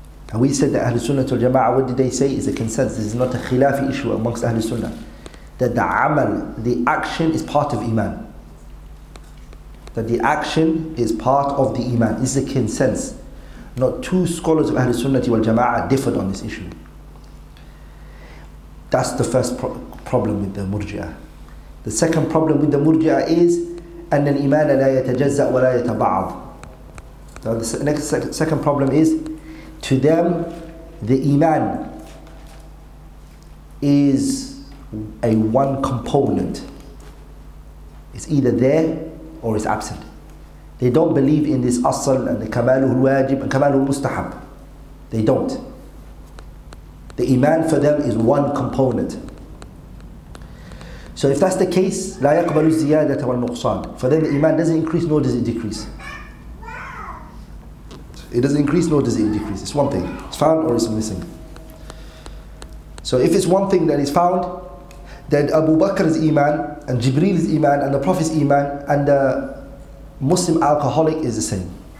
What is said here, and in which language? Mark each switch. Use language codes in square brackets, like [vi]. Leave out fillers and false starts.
[en] And we said that Ahlul Sunnah wal Jama'ah, what did they say? It's a consensus. This is not a khilafi issue amongst Ahlul Sunnah. That the amal, the action, is part of Iman. That the action is part of the Iman. This is a consensus. Not two scholars of Ahlul Sunnah wal Jama'ah differed on this issue. That's the first problem with the Murji'ah. The second problem with the Murji'ah is [ar] أن الإيمان لا يتجزأ ولا يتبعض. [en] So the next second problem is, to them, the Iman is a one component. It's either there or it's absent. They don't believe in this أصل and the [ar] كماله الواجب [en] and [ar] كماله المستحب. [en] They don't. The Iman for them is one component. So if that's the case, [ar] لا يقبل الزيادة والنقصان. [en] For them, the Iman doesn't increase nor does it decrease. It doesn't increase nor does it decrease. It's one thing. It's found or it's missing. So if it's one thing that is found, then Abu Bakr's Iman and Jibreel's Iman and the Prophet's Iman and the Muslim alcoholic is the same.